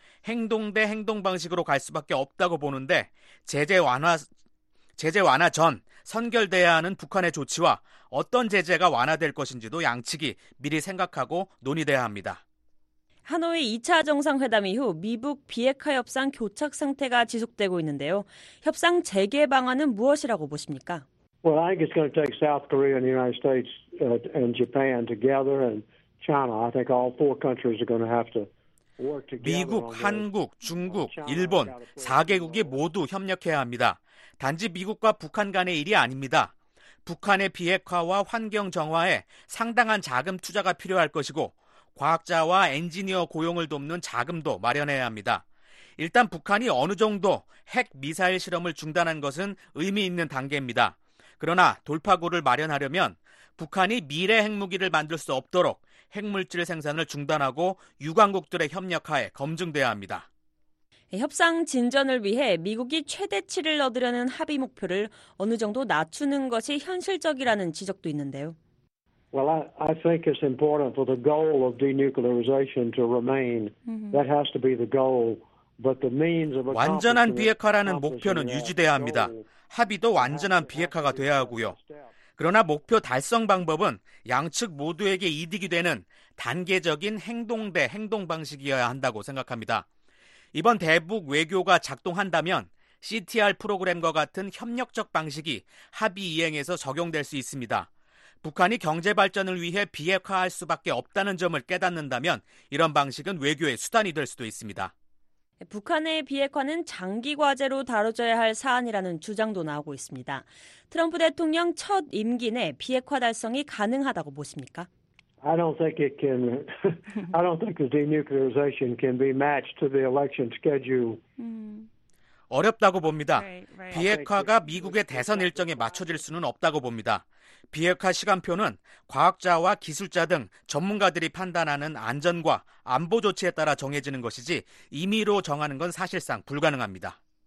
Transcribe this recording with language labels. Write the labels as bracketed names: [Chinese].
[Korean] 행동 대 행동 방식으로 갈 수밖에 없다고 보는데 제재 완화 전 선결돼야 하는 북한의 조치와 어떤 제재가 완화될 것인지도 양측이 미리 생각하고 논의돼야 합니다. 하노이 2차 정상회담 이후 미북 비핵화 협상 교착 상태가 지속되고 있는데요. 협상 재개 방안은 무엇이라고 보십니까? [English] Well, I think it's going to take South Korea and the United States and Japan together and China. I think all four countries are going to have to work together. [Korean] 미국, 한국, 중국, 일본, 4개국이 모두 협력해야 합니다. 단지 미국과 북한 간의 일이 아닙니다. 북한의 비핵화와 환경 정화에 상당한 자금 투자가 필요할 것이고 과학자와 엔지니어 고용을 돕는 자금도 마련해야 합니다. 일단 북한이 어느 정도 핵 미사일 실험을 중단한 것은 의미 있는 단계입니다. 그러나 돌파구를 마련하려면 북한이 미래 핵무기를 만들 수 없도록 핵물질 생산을 중단하고 유관국들의 협력하에 검증돼야 합니다. 협상 진전을 위해 미국이 최대치를 얻으려는 합의 목표를 어느 정도 낮추는 것이 현실적이라는 지적도 있는데요. [English] Well, I think it's important for the goal of denuclearization to remain. That has to be the goal. But the means of [Korean] 완전한 비핵화라는 목표는 유지돼야 합니다. 합의도 완전한 비핵화가 돼야 하고요. 그러나 목표 달성 방법은 양측 모두에게 이득이 되는 단계적인 행동 대 행동 방식이어야 한다고 생각합니다. 이번 대북 외교가 작동한다면 CTR 프로그램과 같은 협력적 방식이 합의 이행에서 적용될 수 있습니다. 북한이 경제 발전을 위해 비핵화할 수밖에 없다는 점을 깨닫는다면 이런 방식은 외교의 수단이 될 수도 있습니다. 북한의 비핵화는 장기 과제로 다뤄져야 할 사안이라는 주장도 나오고 있습니다. 트럼프 대통령 첫 임기 내 비핵화 달성이 가능하다고 보십니까? [English] I don't think it can. I don't think the denuclearization can be matched to the election schedule. [Korean] 어렵다고 봅니다. 비핵화가 미국의 대선 일정에 맞춰질 수는 없다고 봅니다. 비핵화 시간표는 과학자와 기술자 등 전문가들이 판단하는 안전과 안보 조치에 따라 정해지는 것이지 임의로 정하는 건 사실상 불가능합니다.